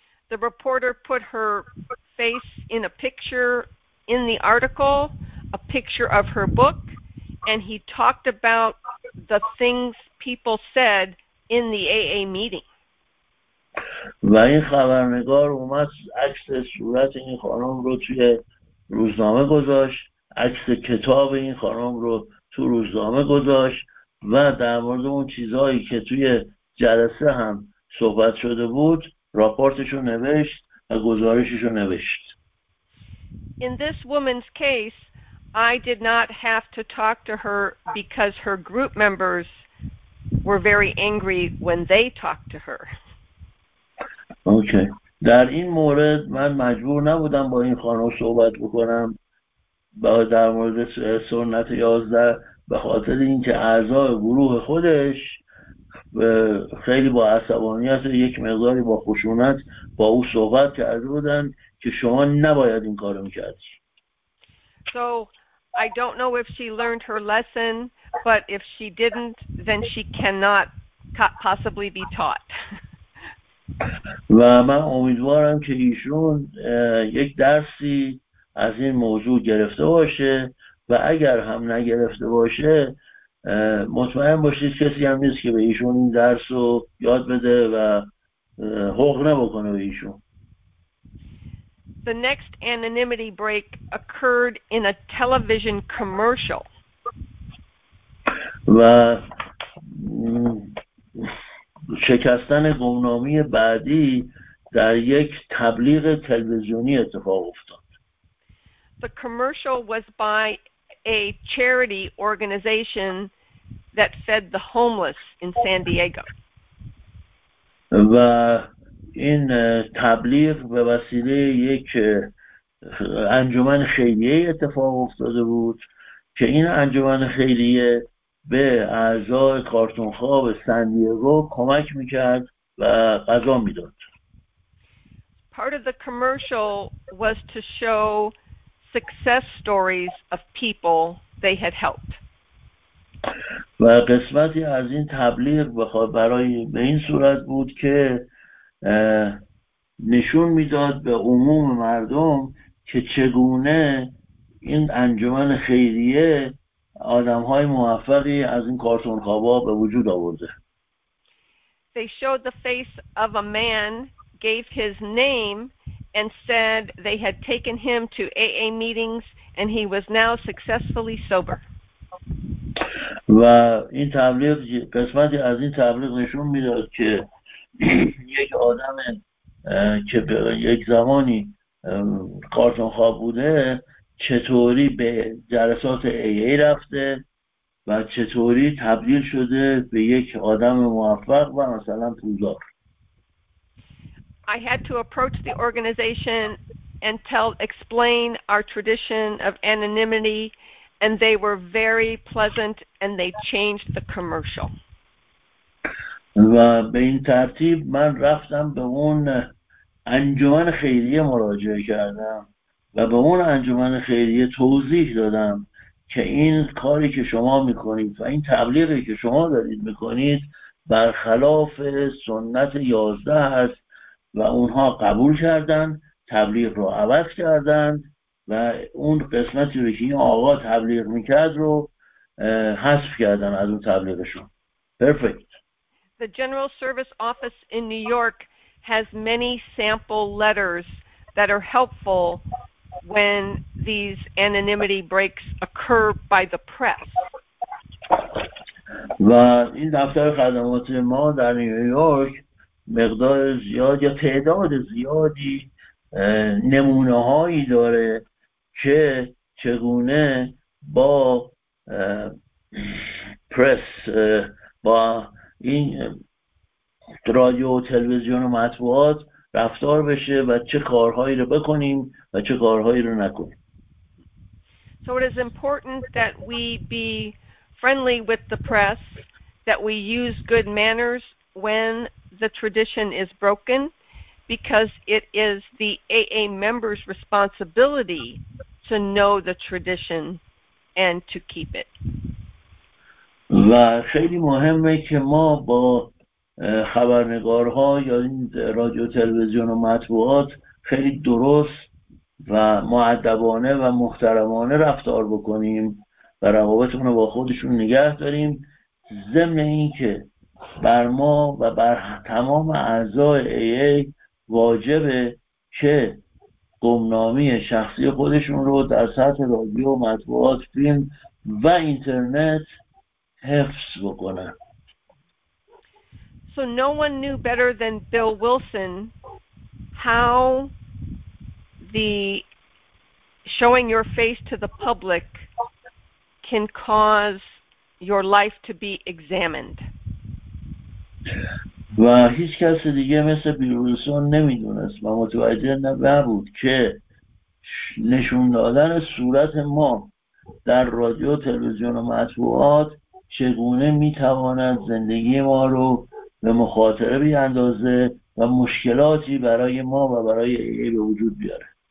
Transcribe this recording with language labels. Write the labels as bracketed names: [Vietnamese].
[English] The reporter put her face in a picture in the article, a picture of her book, and he talked about the things people said in the AA meeting. [Persian] و این خبرنگار اومد عکس صورت این خانم رو توی روزنامه گذاشت، عکس کتاب این خانم رو تو روزنامه گذاشت و در مورد اون چیزهایی که توی جلسه هم صحبت شده بود راپورتش رو نوشت و گزارشش رو نوشت. [English] In this woman's case, I did not have to talk to her because her group members were very angry when they talked to her. Okay. [Persian] در این مورد من مجبور نبودم با این خانم صحبت بکنم با در مورد سنت 11 به خاطر اینکه اعضای گروه خودش خیلی با عصبانیت یک مقداری با خشونت با او صحبت کرده بودن که شما نباید این کارو می‌کردید. [English] So I don't know if she learned her lesson, but if she didn't, then she cannot possibly be taught. [Persian] و من امیدوارم که ایشون یک درسی از این موضوع گرفته باشه و اگر هم نگرفته باشه مطمئن باشید کسی هم نیست که به ایشون این درس رو یاد بده و حق نبکنه به ایشون. [English] The next anonymity break occurred in a television commercial. [Persian] و شکستن گمنامی بعدی در یک تبلیغ تلویزیونی اتفاق افتاد. [English] The commercial was by a charity organization that fed the homeless in San Diego. [Persian] و این تبلیغ به وسیله یک انجمن خیریه اتفاق افتاده بود که این انجمن خیریه به اعضای کارتونخواب سان دیگو کمک میکرد و غذا میداد. [English] Part of the commercial was to show success stories of people they had helped. [Persian] و قسمتی از این تبلیغ برای به این صورت بود که نشون میداد به عموم مردم که چگونه این انجمن خیریه آدمهای موفقی از این کارتون خوابا به وجود آورده. [English] They showed the face of a man, gave his name, and said they had taken him to AA meetings, and he was now successfully sober. [Persian] و این تبلیغ قسمتی از این تبلیغ نشون میداد که یک آدم که یک زمانی کارتون خواب بوده چطوری به جلسات AA رفته و چطوری تبدیل شده به یک آدم موفق و مثلا پولدار. [English] I had to approach the organization and explain our tradition of anonymity, and they were very pleasant and they changed the commercial. [Persian] و به این ترتیب من رفتم به اون انجمن خیریه مراجعه کردم و به اون انجمن خیریه توضیح دادم که این کاری که شما میکنید و این تبلیغی که شما دارید میکنید برخلاف سنت 11 است و اونها قبول کردند، تبلیغ رو عوض کردند و اون قسمتی رو که این آقا تبلیغ میکرد رو حذف کردن از اون تبلیغشون. [English] Perfect. The General Service Office in New York has many sample letters that are helpful when these anonymity breaks occur by the press. [Persian] و این دفتر خدمات ما در نیویورک مقدار زیاد یا تعداد زیادی نمونه هایی داره که چگونه با پرس با این رادیو و تلویزیون و مطبوعات رفتار بشه و چه کارهایی رو بکنیم و چه کارهایی رو نکنیم. [English] So it is important that we be friendly with the press, that we use good manners when the tradition is broken, because it is the AA members' responsibility to know the tradition and to keep it. [Persian] و خیلی مهمه که ما با خبرنگارها یا رادیو تلویزیون و مطبوعات خیلی درست و مؤدبانه و محترمانه رفتار بکنیم و روابطمون رو با خودشون نگه داریم، ضمن اینکه بر ما و بر تمام اعضای AA واجبه که گمنامی شخصی خودشون رو در سطح رادیو و مطبوعات، فیلم و اینترنت حفظ بکنن. [English] So no one knew better than Bill Wilson how the showing your face to the public can cause your life to be examined. [Persian] و هیچ کس دیگه مثل بیل ویلسون نمیدونست و متوجه نبود که نشون دادن صورت ما در رادیو تلویزیون و مطبوعات چگونه میتواند زندگی ما رو به مخاطره بیاندازه و مشکلاتی برای ما و برای AA به وجود بیاره.